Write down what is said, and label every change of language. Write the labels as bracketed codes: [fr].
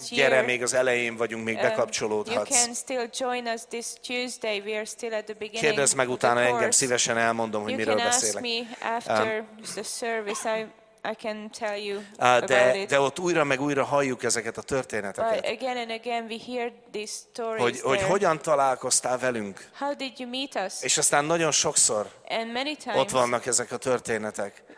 [hu] gyere, még az elején vagyunk, még bekapcsolódhatsz. [en] You can still join us this Tuesday. We are still at the beginning. [hu] Kérdezz meg utána [en] of the [hu] engem, szívesen elmondom, hogy [en] you [hu] miről beszélek. [en] You can ask me after the service. I can tell you about it. [hu] De ott újra meg újra halljuk ezeket a történeteket. [en] But again and again we hear these stories. [hu] Hogy hogyan találkoztál velünk? [en] How did you meet us? [hu] És aztán nagyon sokszor [en] and many times, [hu] ott vannak ezek a történetek.